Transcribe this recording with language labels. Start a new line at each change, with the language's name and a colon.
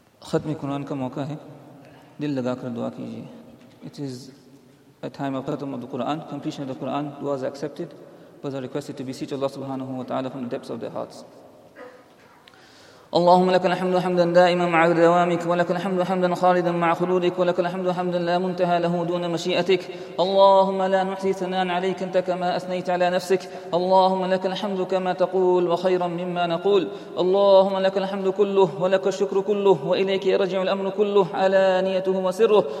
Urdu: ختم قرآن کا موقع ہے، دل لگا کر دعا کیجیے.
English: It is a time of ختم of the Quran, completion of the Quran. Duas accepted. Was requested to beseech Allah subhanahu wa ta'ala from the depths of their hearts.
Arabic: اللهم لك الحمد حمدا دائما مع دوامك ولك الحمد حمدا خالدا مع خلودك ولك الحمد حمدا لا منتهى له دون مشيئتك. اللهم لا نحصي ثناء عليك أنت كما أثنيت على نفسك. اللهم لك الحمد كما تقول وخيرا مما نقول. اللهم لك الحمد كله ولك الشكر كله وإليك يرجع الأمر كله علانيته وسره.